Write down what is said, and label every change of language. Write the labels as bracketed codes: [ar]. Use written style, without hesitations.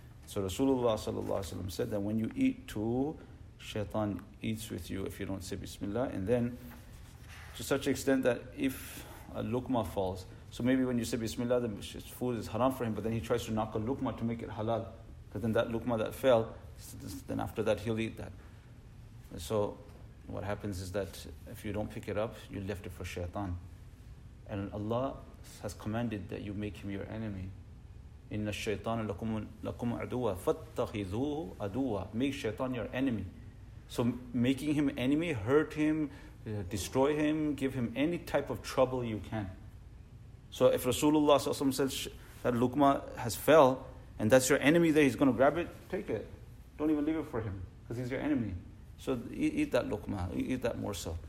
[en] So Rasulullah sallallahu alaihi wasallam said that when you eat too, shaitan eats with you if you don't say Bismillah, and then to such extent that if a lukma falls, so maybe when you say Bismillah, the food is haram for him, but then he tries to knock a lukma to make it halal, because then that lukma that fell, then after that he'll eat that. So what happens is that if you don't pick it up, you left it for shaitan. And Allah has commanded that you make him your enemy. [ar] إن الشيطان لكم لكم عدوا فاتخذوه عدوا. [en] Make Shaitan your enemy. So making him enemy, hurt him, destroy him, give him any type of trouble you can. So if Rasulullah says that Luqma has fell and that's your enemy there, he's going to grab it, take it. Don't even leave it for him because he's your enemy. So eat that Luqma, eat that morsel.